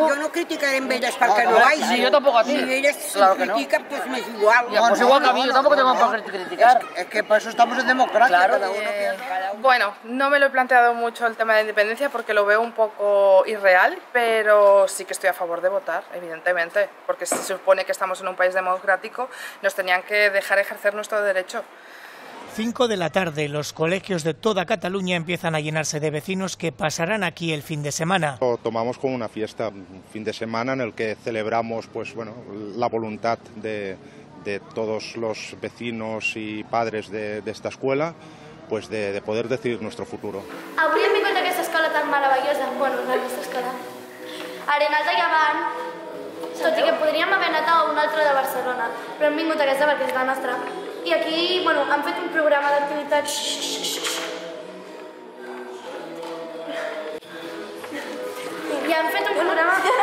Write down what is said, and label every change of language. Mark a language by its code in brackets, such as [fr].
[ca] Jo no criticaré amb elles perquè no vagi. Jo tampoc [es] a ti. [ca] I elles si critiquen, doncs m'és igual. [es] Pues igual que a mi, [ca] jo tampoc [es] tengo por criticar. Es que per eso estamos en democracia. Bueno, no me lo he planteado mucho el tema de independencia porque lo veo un poco irreal, pero sí que estoy a favor de votar, evidentemente, porque se supone que estamos en un país democrático, nos tenían que dejar ejercer nuestro derecho. 5 de la tarde, los colegios de toda Cataluña empiezan a llenarse de vecinos que pasarán aquí el fin de semana. Lo tomamos como una fiesta, un fin de semana en el que celebramos pues, bueno, la voluntad de todos los vecinos y padres de esta escuela, pues de poder decidir nuestro futuro. [ca] Avui hem vingut a aquesta escola tan meravellosa, bueno, la nostra escola. Arenas de Llevant, tot i que podríem haver anat a una altra de Barcelona, però hem vingut a aquesta perquè és la nostra. I aquí, bueno, hem fet un programa d'activitats... I hem fet un programa...